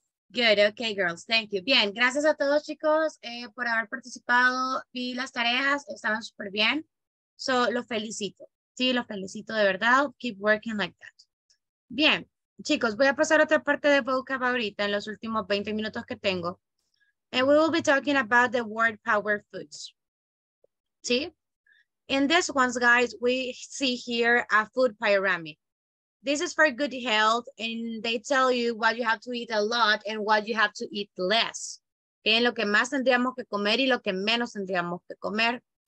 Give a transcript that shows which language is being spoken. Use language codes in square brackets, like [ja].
[en] Good, okay, girls, thank you. [es] Bien, gracias a todos, chicos, por haber participado. Vi las tareas, estaban súper bien. So, los felicito. Sí, los felicito de verdad. [en] Keep working like that. [es] Bien, chicos, voy a pasar a otra parte de vocab ahorita en los últimos 20 minutos que tengo. [en] And we will be talking about the word power foods. ¿Sí? In this one, guys, we see here a food pyramid. This is for good health, and they tell you what you have to eat a lot and what you have to eat less. [es] Okay, lo que más tendríamos que comer y lo que menos tendríamos que comer.